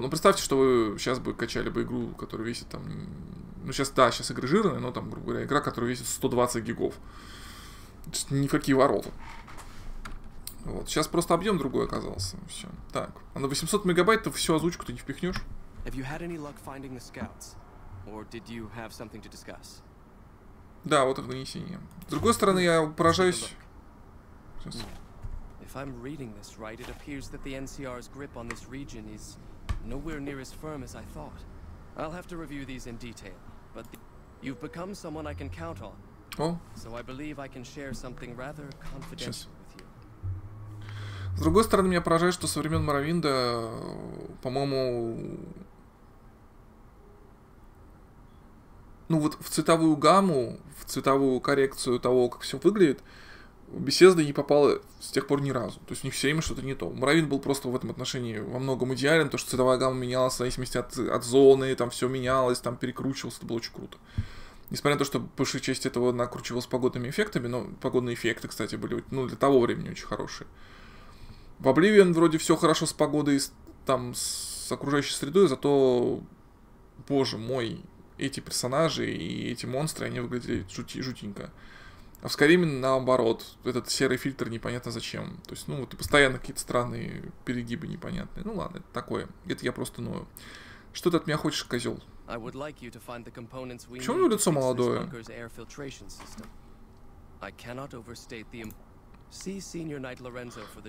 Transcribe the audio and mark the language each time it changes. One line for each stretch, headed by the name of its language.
Russian: Ну представьте, что вы сейчас бы качали бы игру, которая весит там... Ну сейчас, да, сейчас игры жирные, но там, грубо говоря, игра, которая весит 120 гигов. Никакие ворота. Вот, сейчас просто объем другой оказался. Все. Так. А на 800 мегабайт-то всю озвучку ты не впихнешь.
English: Have you had any luck finding the scouts? Or did you have something to discuss?
Russian: Да, вот их нанесение. С другой стороны, я поражаюсь. Сейчас.
English: If I'm reading this right, it appears that the NCR's grip on this region is nowhere near as firm as I thought. I'll have to review these in detail, but you've become someone I can count on. So I believe I can share something rather confidential with you.
Russian: С другой стороны, меня поражает, что со времен Morrowind'а, по-моему, ну вот в цветовую гамму, в цветовую коррекцию того, как все выглядит, Bethesda не попала с тех пор ни разу. То есть у них все время что-то не то. Morrowind был просто в этом отношении во многом идеален, то что цветовая гамма менялась в зависимости от зоны, там все менялось, там перекручивалось, это было очень круто. Несмотря на то, что большая часть этого накручивалась погодными эффектами, но погодные эффекты, кстати, были, ну, для того времени очень хорошие. В Oblivion вроде все хорошо с погодой, там, с окружающей средой, зато, боже мой, эти персонажи и эти монстры, они выглядели жутенько. А в Skyrim, наоборот, этот серый фильтр непонятно зачем. То есть, ну, вот постоянно какие-то странные перегибы непонятные. Ну, ладно, это такое. Это я просто ною. Что ты от меня хочешь, козел?
English: I would like you to find the components we need to fix this bunker's air filtration system. I cannot overstate the See Senior Knight Lorenzo for the details.